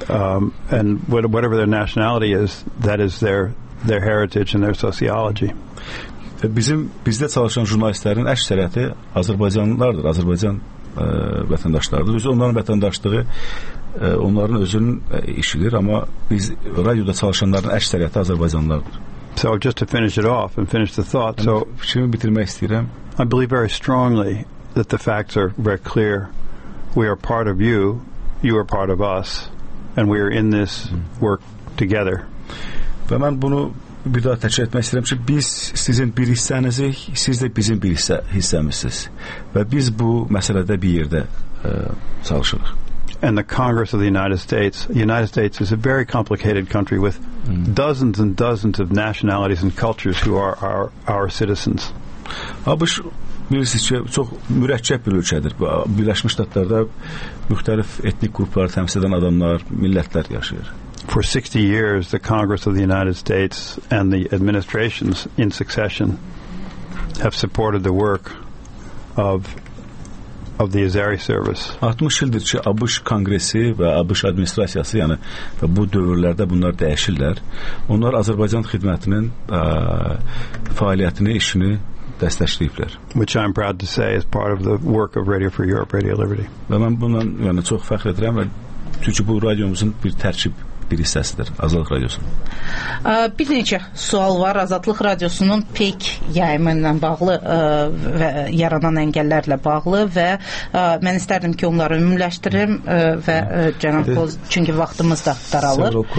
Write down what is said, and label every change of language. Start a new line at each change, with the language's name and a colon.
English: And whatever their nationality is, that is their heritage and their sociology.
Azerbaijani: Bizdə çalışan jurnalistlərin əksəriyyəti Azərbaycanlılardır, Azərbaycan vətəndaşlarıdır. Biz onların vətəndaşlığı onların özünün işidir, amma biz radioda çalışanların əksəriyyəti Azərbaycanlılardır.
English: So just to finish it off and finish the thought. So
Azerbaijani: fikrimi bitirmək istəyirəm.
English: I believe very strongly that the facts are very clear. We are part of you, you are part of us, and we are in this work together.
Azerbaijani: Və mən bunu bir daha təkrar etmək istəyirəm ki, biz sizin bir hissənizik, siz də bizim bir hissəmizsiniz. Və biz bu məsələdə bir yerdə çalışırıq.
English: And the Congress of the United States is a very complicated country with dozens and dozens of nationalities and cultures who are our citizens.
Azerbaijani: ABŞ, bilirsiniz ki, çox mürəkkəb bir ölkədir. Birləşmiş Ştatlarda müxtəlif etnik qrupları təmsil edən adamlar, millətlər yaşayır.
English: For 60 years, the Congress of the United States and the administrations in succession have supported the work of the Azeri service.
Azerbaijani: 60 ildir ki, ABŞ Kongresi və ABŞ administrasiyası, yəni və bu dövrlərdə bunlar dəyişirlər. Onlar Azərbaycan xidmətinin fəaliyyətini, işini dəstəkləyiblər.
English: Which I'm proud to say is part of the work of Radio for Europe, Radio Liberty.
Azerbaijani: Və mən bundan yəni çox fəxr edirəm və çünki bu radiomuzun bir tərkib bir hissəsidir Azadlıq Radiosu. Bir neçə sual var Azadlıq Radiosunun PEK yayımı ilə bağlı və yaranan əngəllərlə bağlı və mən istərdim ki, onları ümumiləşdirim və cənab Klozu, çünki vaxtımız da daralır.